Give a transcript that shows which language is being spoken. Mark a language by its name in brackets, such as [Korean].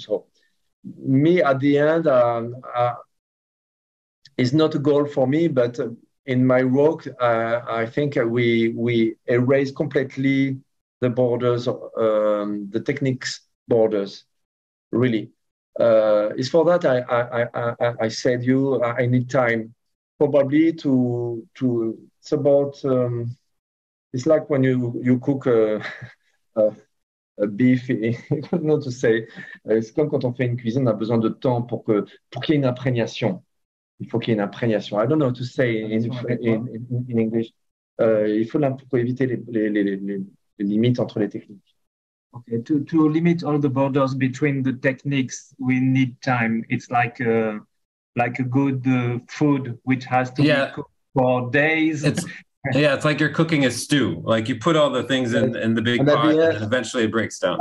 [English] So me at the end is not a goal for me, but in my work I think we erase completely the borders, the techniques borders, really. It's for that I said you I need time probably to it's about it's like when you cook a beef, not to say. [French] C'est comme quand on fait une cuisine, on a besoin de temps pour qu'il y ait une imprégnation. Il faut qu'il y ait une imprégnation. [English] I don't know to say in English. [French] Il faut pour éviter les limites entre les techniques. [English] Okay, to limit all the borders between the techniques, we need time. It's like a good food which has to be cooked for days. Yeah, it's like you're cooking a stew. Like you put all the things in the big pot, and eventually it breaks down.